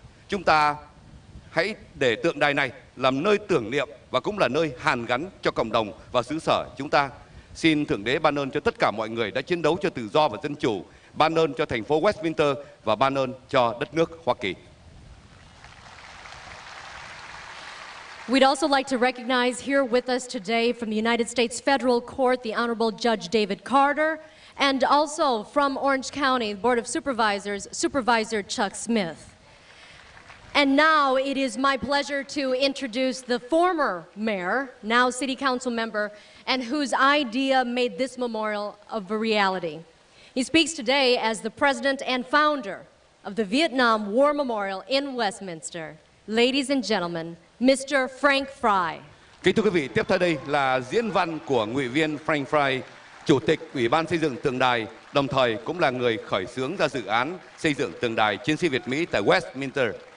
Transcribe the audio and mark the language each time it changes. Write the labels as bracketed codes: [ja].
[vi] Chúng ta hãy để tượng đài này làm nơi tưởng niệm và cũng là nơi hàn gắn cho cộng đồng và xứ sở chúng ta. Xin Thượng Đế ban ơn cho tất cả mọi người đã chiến đấu cho tự do và dân chủ, ban ơn cho thành phố Westminster và ban ơn cho đất nước Hoa Kỳ. [en] We'd also like to recognize here with us today from the United States Federal Court, the Honorable Judge David Carter, and also from Orange County, the Board of Supervisors, Supervisor Chuck Smith. And now it is my pleasure to introduce the former mayor, now city council member, and whose idea made this memorial a reality. He speaks today as the president and founder of the Vietnam War Memorial in Westminster. Ladies and gentlemen, Mr. Frank Fry. [vi] Kính thưa quý vị, tiếp theo đây là diễn văn của nghị viên Frank Fry, Chủ tịch Ủy ban xây dựng tượng đài, đồng thời cũng là người khởi xướng ra dự án xây dựng tượng đài chiến sĩ Việt-Mỹ tại Westminster.